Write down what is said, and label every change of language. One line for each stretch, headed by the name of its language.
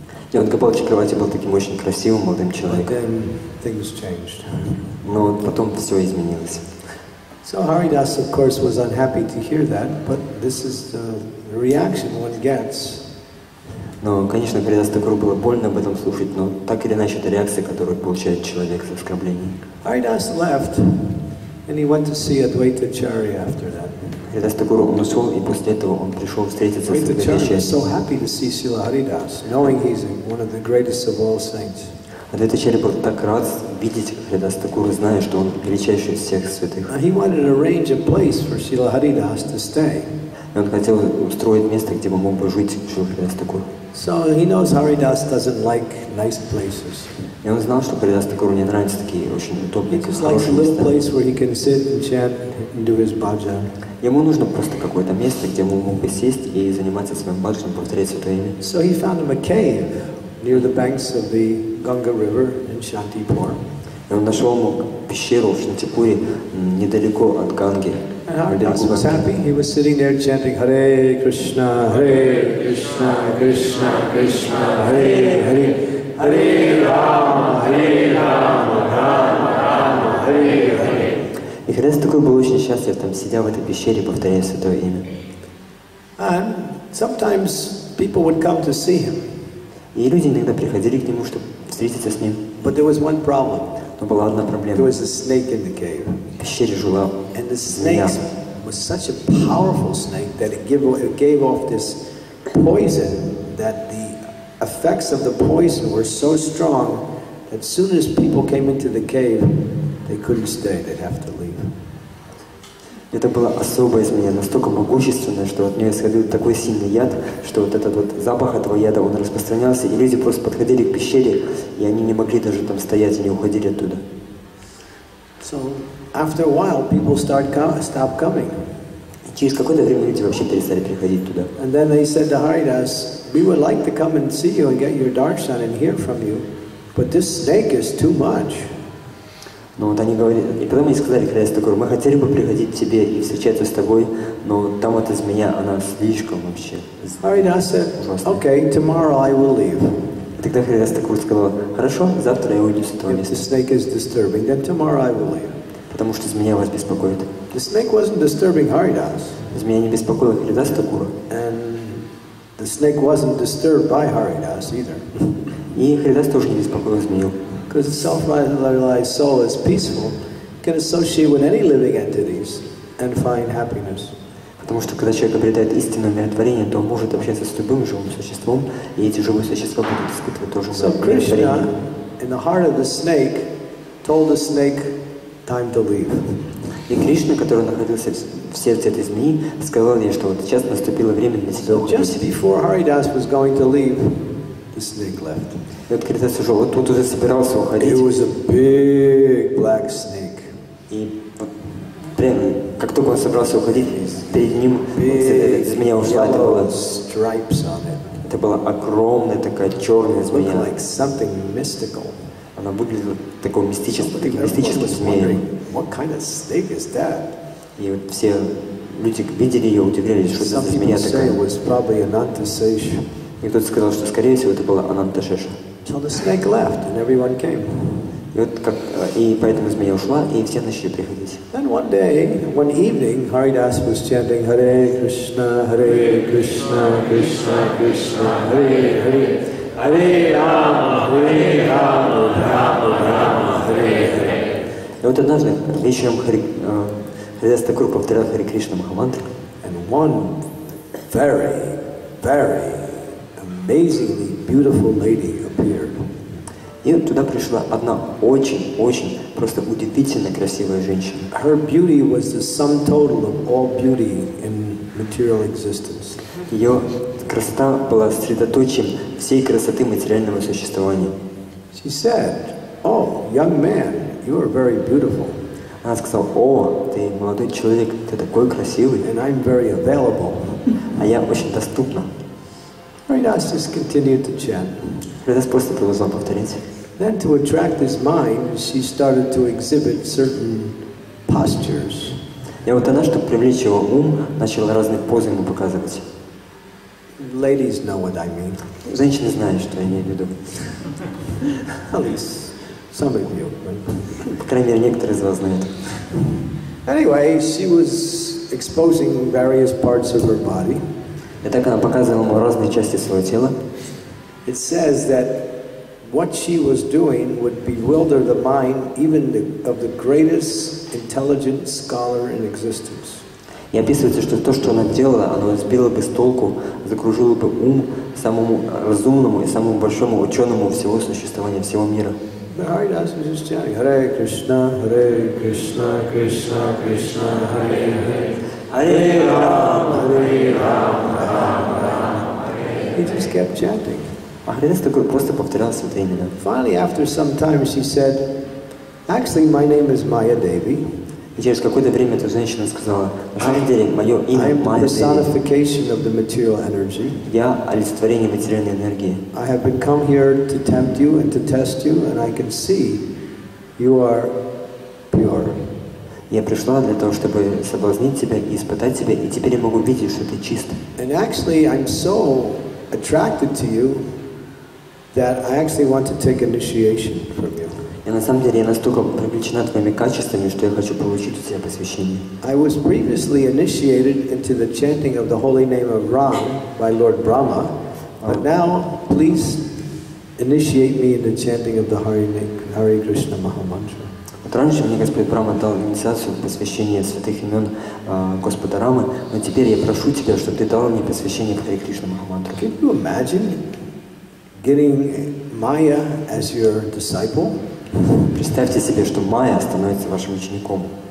Russian: И вот Гопал Чакравати был таким очень красивым молодым человеком.
English: But then things changed.
Russian: Но вот потом все изменилось.
English: So Haridas, of course, was unhappy to hear that, but this is the reaction one gets.
Russian: Но, конечно, Харидас Такур было больно об этом слушать, но так или иначе, это реакция, которую получает человек за оскорбление.
English: Haridas left, and he went to see Advaita Acharya after that.
Russian: Харидас Такур он ушел, и после этого он пришел встретиться с Адвайта Ачарьей.
English: Advaita Acharya was so happy to see Srila Haridas, knowing he's one of the greatest of all saints.
Russian: Адвайта Ачарья был так рад видеть Харидас Такур, зная, что он величайший из всех святых.
English: He wanted to arrange a place for Srila Haridas to stay.
Russian: Он хотел устроить место, где бы мог бы жить Шрила Харидас Такур.
English: So he knows Haridas doesn't like nice places.
Russian: И он знал, что Харидас Такуру не нравятся такие очень удобные, хорошие места.
English: He likes a little place where he can sit and chant and do his bhajan.
Russian: Ему нужно просто какое-то место, где он мог бы сесть и заниматься своим бхаджаном, повторять святое имя.
English: So he found him a cave near the banks of the Ganga River in Shantipur.
Russian: И он нашел ему пещеру в Шантипуре недалеко от Ганги.
English: Haridas was happy. He was sitting there chanting Hare Krishna, Hare Krishna, Krishna Krishna, Hare Hare, Hare Rama, Hare Rama, Rama Rama, Hare Hare.
Russian: И Харидас Такур был очень счастлив, там сидя в этой пещере, повторяя святое имя.
English: And sometimes people would come to see him.
Russian: И люди иногда приходили к нему, чтобы встретиться с ним.
English: But there was one problem.
Russian: Но была одна проблема.
English: There was a snake in the cave. And the snake was such a powerful snake that it gave off this poison, that the effects of the poison were so strong that as soon as people came into the cave, they couldn't stay, they'd have to leave.
Russian: Это было особое изменение, настолько могущественное, что от нее исходил такой сильный яд, что вот этот вот запах этого яда, он распространялся, и люди просто подходили к пещере, и они не могли даже там стоять, они уходили оттуда.
English: So, after a while, people stop coming.
Russian: И через какое-то время люди вообще перестали приходить туда.
English: And then they said to Haridas, we would like to come and see you and get your darshan and hear from you, but this snake is too much.
Russian: Но вот они говорили, и потом они сказали Харидас Такур, мы хотели бы приходить к тебе и встречаться с тобой, но там эта змея, она слишком вообще ужасная.
English: Okay, tomorrow I will leave.
Russian: И тогда Харидас Такур сказал, хорошо, завтра я уйду с этого места.
English: If the snake is disturbing, then tomorrow I will leave.
Russian: Потому что змея вас беспокоит.
English: The snake wasn't disturbing Haridas.
Russian: Змея не беспокоила Харидас Такура.
English: And the snake wasn't disturbed by Haridas either.
Russian: И Харидас тоже не беспокоил змею.
English: Because the self-realized soul is peaceful, can associate with any living entities and find happiness.
Russian: Потому что когда человек обретает истинное умиротворение, то он может общаться с любым живым существом, и эти живые существа будут испытывать тоже умиротворение.
English: So Krishna, in the heart of the snake, told the snake, time to leave.
Russian: И Кришна, который находился в сердце этой змеи, сказал ей, что вот сейчас наступило время для себя уйти.
English: Just before Haridas was going to leave, the snake left.
Russian: И вот Харидас уже вот тут уже собирался уходить.
English: It was a big black snake.
Russian: И прямо, как только он собрался уходить, перед ним змея ушла.
English: Big yellow stripes on it.
Russian: Это была огромная такая черная змея.
English: Looked like something mystical.
Russian: Она выглядела такой мистической, таким мистическим змеей.
English: What kind of snake is that?
Russian: И вот все люди видели ее, удивлялись, что это змея такая.
English: Some people say it was probably an antisesh.
Russian: И кто-то сказал, что, скорее всего, это была Анантасеша.
English: So the snake left, and everyone came.
Russian: И вот как, и поэтому змея ушла, и все начали приходить.
English: Then one day, one evening, Haridas was chanting Hare Krishna, Hare Krishna, Krishna Krishna, Hare Hare, Hare Rama, Hare Rama, Rama Rama, Hare Hare.
Russian: И вот однажды вечером Харидас Такур повторял Хари Кришна Махамантру.
English: And one very, very amazingly beautiful lady appeared.
Russian: И туда пришла одна очень-очень просто удивительно красивая женщина.
English: Her beauty was the sum total of all beauty in material existence.
Russian: Ее красота была средоточием всей красоты материального существования.
English: She said, "Oh, young man, you are very beautiful."
Russian: Она сказала: "О, ты молодой человек, ты такой красивый."
English: And I'm very available.
Russian: А я очень доступна.
English: Let's just continue to chant. Let's
Russian: просто продолжать повторять.
English: Then to attract his mind, she started to exhibit certain postures.
Russian: И вот она, чтобы привлечь его ум, начала разные позы ему показывать.
English: Ladies know what I mean.
Russian: Женщины знают, что я имею в виду.
English: At least some of you.
Russian: По крайней мере, некоторые из вас знают.
English: Anyway, she was exposing various parts of her body.
Russian: И так она показывала ему разные части своего тела.
English: It says that what she was doing would bewilder the mind even of the greatest intelligent scholar in existence.
Russian: И описывается, что то, что она делала, оно сбило бы с толку, закружило бы ум самому разумному и самому большому ученому всего существования всего мира.
English: Haridas was just chanting, Hare Krishna, Hare Krishna, Krishna Krishna, Hare Hare. Hare Rama, Hare Rama, Rama Rama, Hare Hare. He just kept chanting.
Russian: А Haridas такой просто повторял святые имена.
English: Finally, after some time, she said, actually, my name is Maya Devi.
Russian: И через какое-то время эта женщина сказала, на самом деле, мое имя Maya Devi.
English: I am personification of the material energy.
Russian: Я олицетворение материальной энергии.
English: I have been come here to tempt you and to test you, and I can see you are pure.
Russian: Я пришла для того, чтобы соблазнить тебя и испытать тебя, и теперь я могу видеть, что ты чист.
English: And actually, I'm so attracted to you that I actually want to take initiation from you.
Russian: И на самом деле я настолько привлечена твоими качествами, что я хочу получить у тебя посвящение.
English: I was previously initiated into the chanting of the holy name of Ram by Lord Brahma, but now please initiate me in the chanting of the Hare Krishna Mahamantra.
Russian: Вот раньше мне Господь Брама дал инициацию посвящения святых имен Господа Рамы, но теперь я прошу тебя, чтобы ты дал мне посвящение Хари Кришна Махамантру.
English: Can you imagine getting Maya as your disciple?
Russian: Представьте себе, что Майя становится вашим учеником.